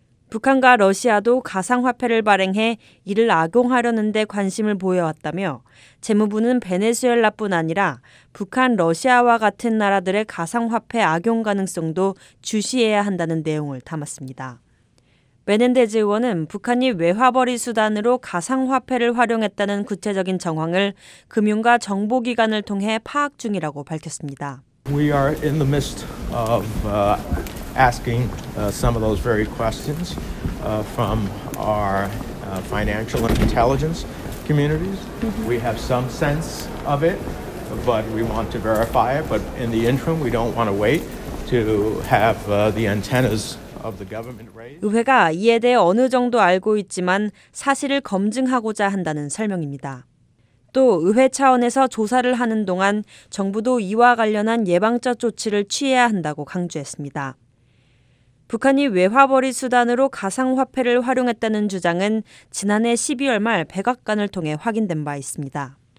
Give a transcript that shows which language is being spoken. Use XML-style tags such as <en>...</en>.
<ko>북한과 러시아도 가상화폐를 발행해 이를 악용하려는 데 관심을 보여왔다며 재무부는 베네수엘라뿐 아니라 북한, 러시아와 같은 나라들의 가상화폐 악용 가능성도 주시해야 한다는 내용을 담았습니다. 메넨데즈 의원은 북한이 외화벌이 수단으로 가상화폐를 활용했다는 구체적인 정황을 금융과 정보기관을 통해 파악 중이라고 밝혔습니다.</ko> <en>We are in the midst of asking some of those very questions from our financial and intelligence communities. We have some sense of it, but we want to verify it. But in the interim, we don't want to wait to have the antennas.</en> <ko>의회가 이에 대해 어느 정도 알고 있지만 사실을 검증하고자 한다는 설명입니다. 또 의회 차원에서 조사를 하는 동안 정부도 이와 관련한 예방적 조치를 취해야 한다고 강조했습니다. 북한이 외화벌이 수단으로 가상화폐를 활용했다는 주장은 지난해 12월 말 백악관을 통해 확인된 바 있습니다.</ko>